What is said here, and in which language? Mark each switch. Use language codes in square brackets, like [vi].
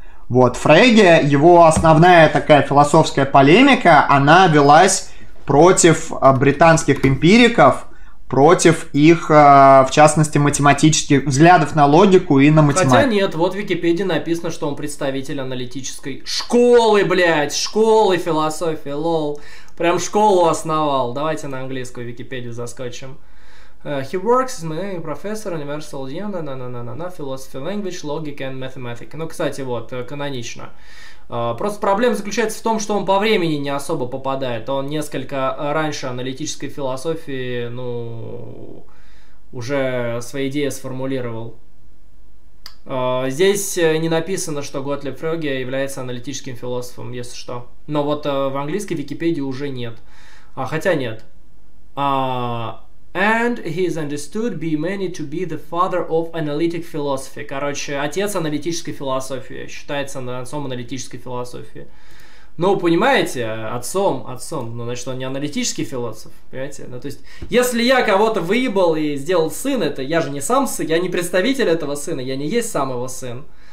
[ru] Вот, Фреге, его основная такая философская полемика, она велась против британских эмпириков, против их, в частности, математических взглядов на логику и на математику. Хотя нет, вот в Википедии написано, что он представитель аналитической школы, блядь, школы философии, лол. Прям школу основал. Давайте на английскую Википедию заскочим. [en] He works as a professor at Universal Philosophy, Language, Logic and Mathematics. [ru] Ну, кстати, вот, канонично. Просто проблема заключается в том, что он по времени не особо попадает. Он несколько раньше аналитической философии, ну, уже свои идеи сформулировал. Здесь не написано, что Готлиб Фреге является аналитическим философом, если что. Но вот в английской Википедии уже нет. Хотя нет. [en] And he is understood by many to be the father of analytic philosophy. [ru] Короче, отец аналитической философии. Считается отцом аналитической философии. Ну, понимаете, отцом. Ну, значит, он не аналитический философ, понимаете? Ну, то есть, если я кого-то выебал и сделал сын, это я же не сам сын, я не представитель этого сына, я не есть сам его сын.